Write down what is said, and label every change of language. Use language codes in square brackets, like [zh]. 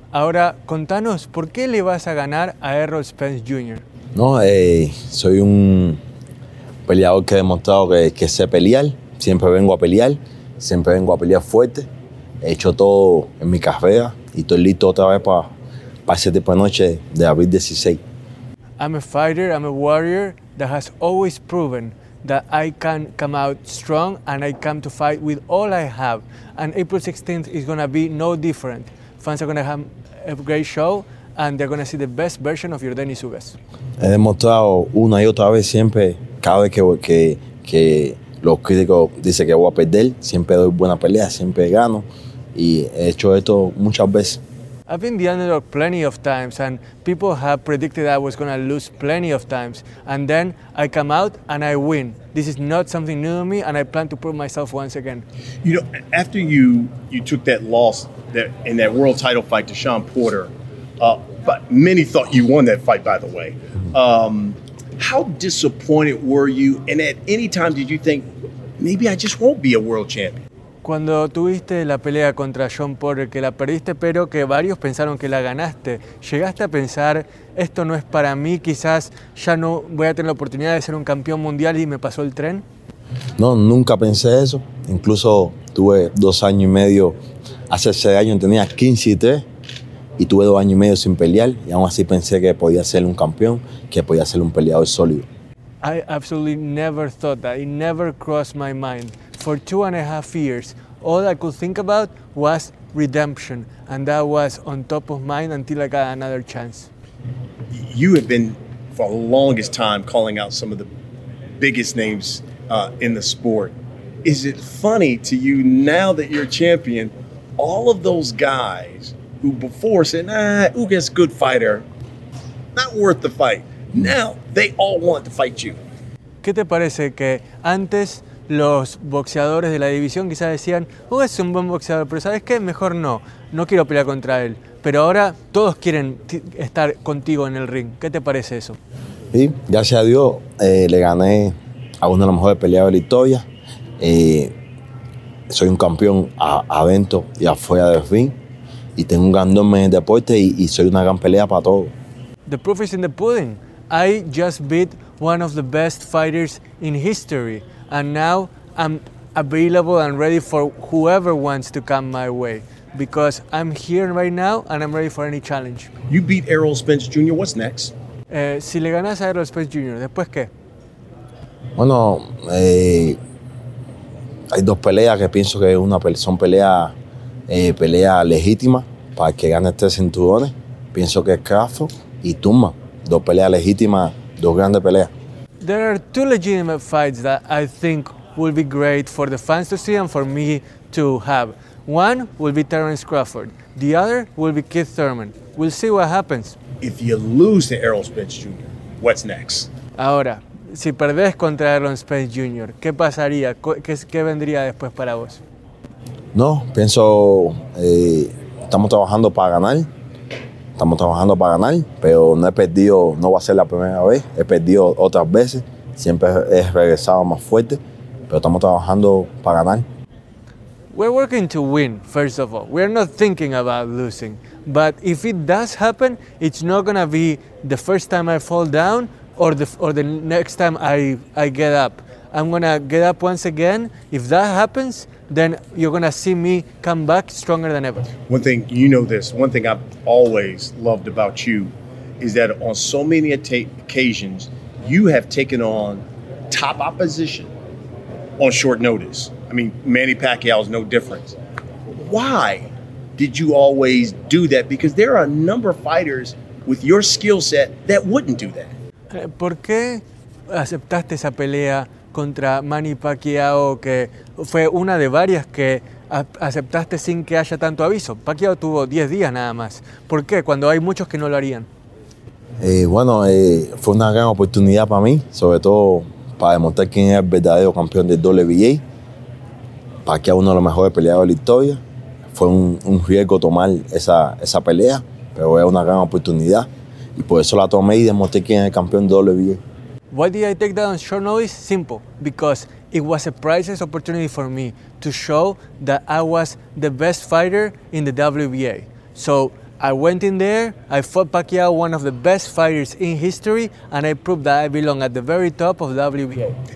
[es] Ahora, contanos, ¿por qué le vas a ganar a Errol Spence Jr.? No, soy un peleador que he demostrado que sé pelear. Siempre vengo a pelear. Siempre vengo a pelear fuerte. He hecho todo en mi carrera y estoy listo otra vez para ese tipo de noche de abril 16. [en] I'm a fighter, I'm a warrior that has always proven that I can come out strong and I come to fight with all I have. And April 16th is going to be no different. Fans are going to have a great show and they're going to see the best version of your Dennis Ugas. [es] He demostrado una y otra vez siempre, cada vez que los críticos dicen que voy a perder, siempre doy buena pelea, siempre gano y he hecho esto muchas veces. [en] I've been the underdog plenty of times and people have predicted I was going to lose plenty of times. And then I come out and I win. This is not something new to me and I plan to prove myself once again. You know, after you took that loss that in that world title fight to Sean Porter, but many thought you won that fight, by the way. How disappointed were you? And at any time did you think, maybe I just won't be a world champion? [es] Cuando tuviste la pelea contra Sean Porter, que la perdiste, pero que varios pensaron que la ganaste, ¿llegaste a pensar, esto no es para mí, quizás ya no voy a tener la oportunidad de ser un campeón mundial y me pasó el tren? No, nunca pensé eso. Incluso tuve 2 años y medio, hace 6 años tenía 15 y 3, y tuve 2 años y medio sin pelear, y aún así pensé que podía ser un campeón, que podía ser un peleador sólido. [en] I absolutely never thought that. It never crossed my mind. For 2.5 years, all I could think about was redemption, and that was on top of mind until I got another chance. You have been, for the longest time, calling out some of the biggest names in the sport. Is it funny to you, now that you're a champion, all of those guys who before said, nah, Ugas, good fighter, not worth the fight, now they all want to fight you? [es] ¿Qué te parece que antes los boxeadores de la división quizás decían, Ugas es un buen boxeador, pero ¿sabes qué? Mejor no. No quiero pelear contra él. Pero ahora todos quieren estar contigo en el ring. ¿Qué te parece eso? Sí, gracias a Dios le gané a uno de los mejores peleadores de la historia. Soy un campeón adentro y afuera del ring. Y tengo un ganador en el deporte y soy una gran pelea para todos. [en] The proof is in the pudding. I just beat one of the best fighters in history. And now I'm available and ready for whoever wants to come my way because I'm here right now and I'm ready for any challenge. You beat Errol Spence Jr., what's next? [es] Si le ganas a Errol Spence Jr., ¿después qué? Bueno, hay dos peleas que pienso que una son pelea legítima para que gane 3 cinturones. Pienso que es Crawford y Tumba. Dos peleas legítimas, dos grandes peleas. [en] There are 2 legitimate fights that I think will be great for the fans to see and for me to have. One will be Terrence Crawford. The other will be Keith Thurman. We'll see what happens. If you lose to Errol Spence Jr., what's next? [es] Ahora, si perdés contra Errol Spence Jr., ¿qué pasaría? ¿Qué vendría después para vos? No, pienso, estamos trabajando para ganar. Estamos trabajando para ganar, pero no he perdido, no va a ser la primera vez, he perdido otras veces, siempre he regresado más fuerte, pero estamos trabajando para ganar. [en] We're working to win, first of all. We're not thinking about losing. But if it does happen, it's not going to be the first time I fall down or the next time I get up. I'm going to get up once again. If that happens, then you're going to see me come back stronger than ever. One thing, you know this, one thing I've always loved about you is that on so many occasions, you have taken on top opposition on short notice. I mean, Manny Pacquiao is no different. Why did you always do that? Because there are a number of fighters with your skill set that wouldn't do that. [es] ¿Por qué aceptaste esa pelea contra Manny Pacquiao, que fue una de varias que aceptaste sin que haya tanto aviso? Pacquiao tuvo 10 días nada más. ¿Por qué? Cuando hay muchos que no lo harían. Fue una gran oportunidad para mí, sobre todo para demostrar quién es el verdadero campeón de WBA. Pacquiao, uno de los mejores peleadores de la historia. Fue un riesgo tomar esa pelea, pero es una gran oportunidad. Y por eso la tomé y demostré quién es el campeón de WBA. [en] Why did I take that on short notice? Simple, because it was a priceless opportunity for me to show that I was the best fighter in the WBA. So I went in there, I fought Pacquiao, one of the best fighters in history, and I proved that I belong at the very top of WBA.